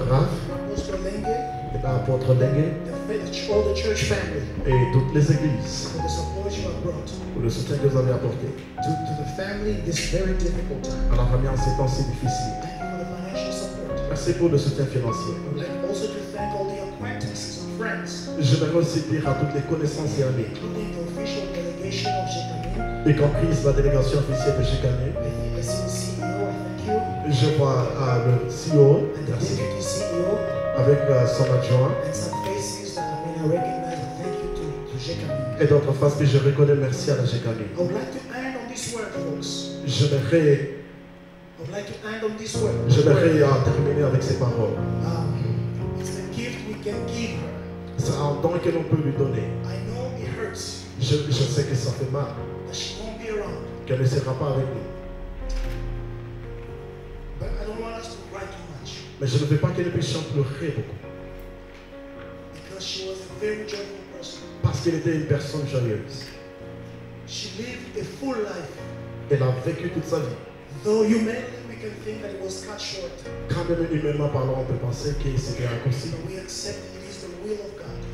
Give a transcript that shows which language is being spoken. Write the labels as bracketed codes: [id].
[fr] Raph, et l'apôtre Lenge, et toutes les églises. Pour le soutien que vous avez apporté [en] to the family, this very difficult time. [fr] À la famille en ces temps si difficiles. [en] Thank you for the financial support. [fr] Merci pour le soutien financier. [en] Also to thank all the acquaintances and friends. [fr] Je vais aussi dire à toutes les connaissances et amis, [en] including the official delegation of [fr] Jekane, y compris la délégation officielle de Jekane. Je vois le CEO, [en] and merci. The deputy CEO [fr] avec son adjoint. [en] And some faces that have been recognized. Thank you to Jekane. [fr] Et d'autre face que je reconnais merci à la GKB. [en] I would like to end on this word, folks. [fr] Je vais terminer avec ces paroles. [en] It's a gift we can give. [fr] C'est un don que l'on peut lui donner. [en] I know it hurts. [fr] Je sais que ça fait mal. [en] That she won't be around. [fr] Qu'elle ne sera pas avec nous. [en] But I don't want us to cry too much. [fr] Mais je ne veux pas qu'elle puisse pleurer beaucoup. [en] Because she was a very joyful. [fr] Parce qu'elle était une personne joyeuse. [en] She lived a full life. [fr] Elle a vécu toute sa vie. [en] Though humanly we can think that it was cut short. [fr] Quand même humainement parlant, on peut penser que c'était raccourci. [en] But we accept it is the will of God.